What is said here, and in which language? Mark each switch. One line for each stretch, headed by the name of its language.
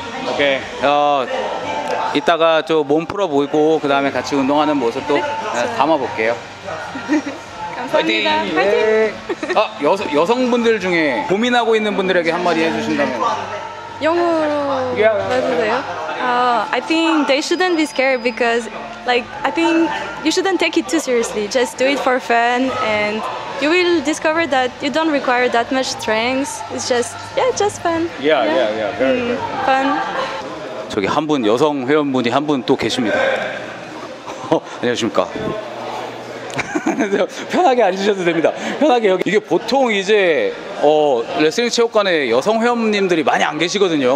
Korean: 오케이. 이따가 저 몸 풀어 보이고 그 다음에 같이 운동하는 모습도 네, 담아볼게요. 감사합니다. 화이팅! 예. 아, 여성분들 중에 고민하고 있는 분들에게 한마디 해주신다면 영어로 말해보세요.
English: I think they shouldn't be scared because like I think you shouldn't take it too seriously. Just do it for fun and you will discover that you don't require that much strength. It's just just fun. Yeah. Very fun.
Korean: 저기 한 분 여성 회원분이 한 분 또 계십니다. 안녕하십니까? 편하게 앉으셔도 됩니다. 편하게 여기 이게 보통 이제 레슬링 체육관에 여성 회원님들이 많이 안 계시거든요.